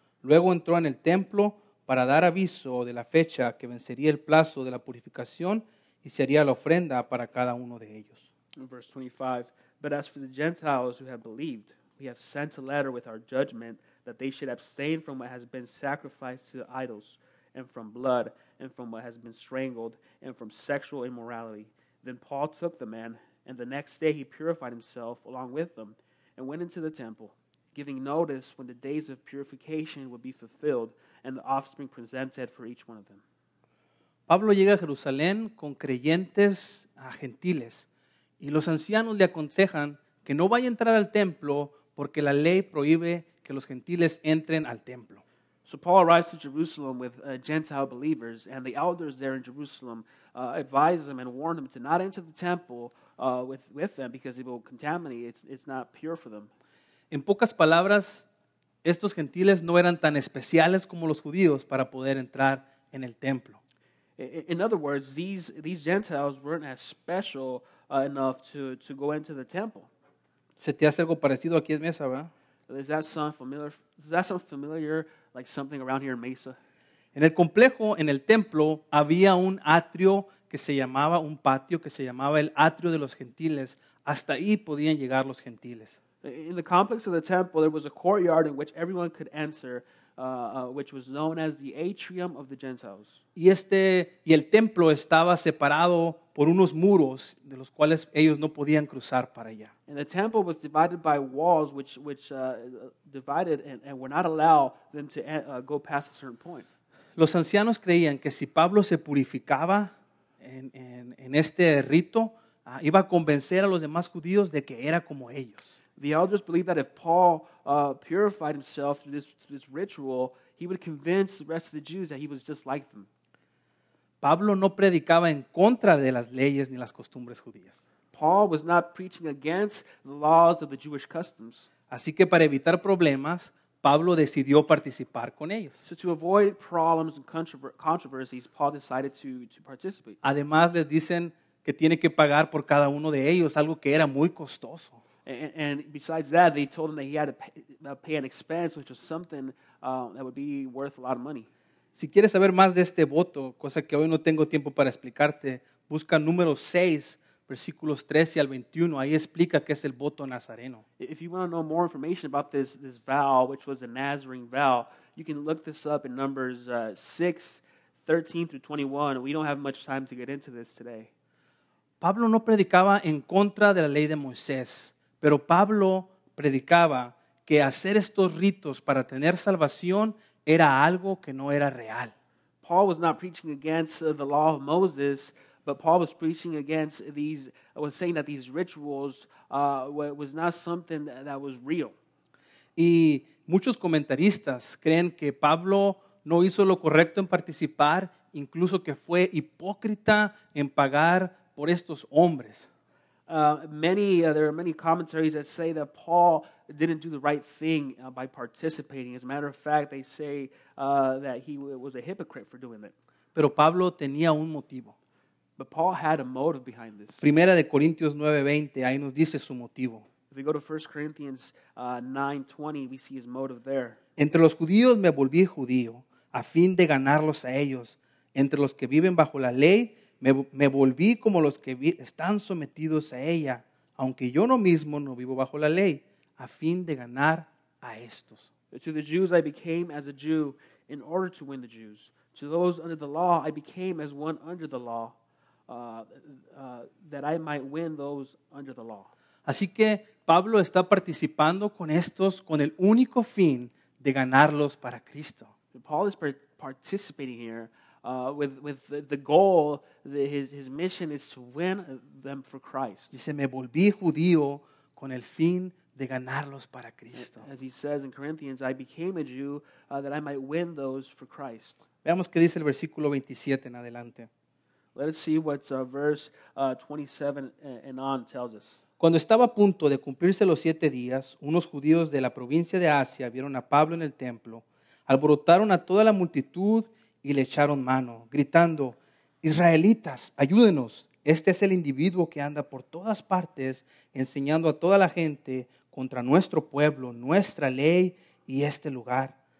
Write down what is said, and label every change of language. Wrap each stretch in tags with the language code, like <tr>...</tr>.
<es>Luego entró en el templo para dar aviso de la fecha que vencería el plazo de la purificación y se haría la ofrenda para cada uno de ellos.</es> <en>Verse 25, but as for the Gentiles who have believed, we have sent a letter with our judgment that they should abstain from what has been sacrificed to the idols, and from blood, and from what has been strangled, and from sexual immorality. Then Paul took the man, and the next day he purified himself along with them, and went into the temple, giving notice when the days of purification would be fulfilled, and the offspring presented for each one of them.</en> <es>Pablo llega a Jerusalén con creyentes gentiles, y los ancianos le aconsejan que no vaya a entrar al templo, porque la ley prohíbe que los gentiles entren al templo.</es> <en>So Paul arrives to Jerusalem with Gentile believers, and the elders there in Jerusalem advise him and warn him to not enter the temple with them because it will contaminate. It's not pure for them.</en> <es>En pocas palabras, estos gentiles no eran tan especiales como los judíos para poder entrar en el templo.</es> <en>In other words, these Gentiles weren't as special enough to go into the temple.</en> <es>¿Se te hace algo parecido aquí en Mesa, verdad?</es> <en>Does that sound familiar, like something around here in Mesa?</en> <es>En el complejo, en el templo, había un atrio que se llamaba, un patio que se llamaba el atrio de los gentiles. Hasta ahí podían llegar los gentiles.</es> <en>In the complex of the temple, there was a courtyard in which everyone could enter, which was known as the atrium of the Gentiles.</en> <es>Y el templo estaba separado por unos muros de los cuales ellos no podían cruzar para allá.</es> <en>And the temple was divided by walls which divided and were not allow them to go past a certain point.</en> <es>Los ancianos creían que si Pablo se purificaba en este rito, iba a convencer a los demás judíos de que era como ellos.</es> <en>The elders believed that if Paul purified himself through this ritual, he would convince the rest of the Jews that he was just like them.</en> <es>Pablo no predicaba en contra de las leyes ni las costumbres judías.</es> <en>Paul was not preaching against the laws of the Jewish customs.</en> <es>Así que para evitar problemas, Pablo decidió participar con ellos.</es> <en>So to avoid problems and controversies, Paul decided to participate.</en> <es>Además, les dicen que tiene que pagar por cada uno de ellos, algo que era muy costoso.</es> <en>And besides that, they told him that he had to pay an expense, which was something that would be worth a lot of money.</en> <es>Si quieres saber más de este voto, cosa que hoy no tengo tiempo para explicarte, busca número 6, versículos 13 al 21. Ahí explica qué es el voto nazareno.</es> <en>If you want to know more information about this vow, which was a Nazarene vow, you can look this up in Numbers 6, 13 through 21. We don't have much time to get into this today.</en> <es>Pablo no predicaba en contra de la ley de Moisés, pero Pablo predicaba que hacer estos ritos para tener salvación era algo que no era real.</es> <en>Paul was not preaching against the law of Moses, but Paul was preaching against saying that these rituals was not something that was real.</en> <es>Y muchos comentaristas creen que Pablo no hizo lo correcto en participar, incluso que fue hipócrita en pagar por estos hombres.</es> <en>There are many commentaries that say that Paul didn't do the right thing by participating. As a matter of fact, they say that he was a hypocrite for doing it.</en> <es>Pero Pablo tenía un motivo.</es> <en>But Paul had a motive behind this.</en> <es>Primera de Corintios 9:20, ahí nos dice su motivo.</es> <en>If we go to 1 Corinthians 9:20, we see his motive there.</en> <es>Entre los judíos me volví judío a fin de ganarlos a ellos. Entre los que viven bajo la ley, me volví como los que están sometidos a ella, aunque yo no mismo no vivo bajo la ley, a fin de ganar a estos.</es> <en>To the Jews I became as a Jew in order to win the Jews. To those under the law I became as one under the law, that I might win those under the law.</en> <es>Así que Pablo está participando con estos con el único fin de ganarlos para Cristo.</es> <en>Paul is participating here with the goal that his mission is to win them for Christ.</en> <es>Dice, me volví judío con el fin de ganarlos para Cristo.</es> <en>As he says in Corinthians, I became a Jew that I might win those for Christ.</en> <es>Veamos qué dice el versículo 27 en adelante.</es> <en>Let us see what verse 27 and on tells us.</en> <es>Cuando estaba a punto de cumplirse los siete días, unos judíos de la provincia de Asia vieron a Pablo en el templo, alborotaron a toda la multitud y le echaron mano, gritando, Israelitas, ayúdenos, este es el individuo que anda por todas partes enseñando a toda la gente contra nuestro pueblo, nuestra ley y este lugar.</es>